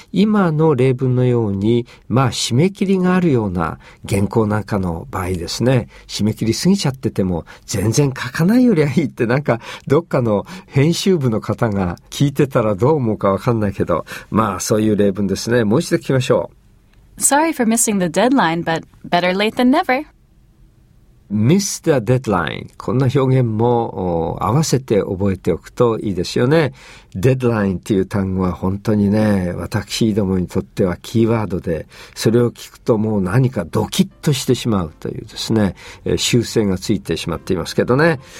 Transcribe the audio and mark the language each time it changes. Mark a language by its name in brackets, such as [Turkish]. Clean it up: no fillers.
[Japanese] 今の例文のように、まあ締め切りがあるような原稿なんかの場合ですね。締め切り過ぎちゃってても全然書かないよりはいいって、なんかどっかの編集部の方が聞いてたらどう思うかわかんないけど、まあそういう例文ですね。もう一度聞きましょう。 [English] Sorry for missing the deadline, but better late than never. Miss the deadline. [Japanese] こんな表現も合わせて覚えておくといいですよね。 deadline という単語は本当にね、私どもにとってはキーワードで、それを聞くともう何かドキッとしてしまうというですね、修正がついてしまっていますけどね。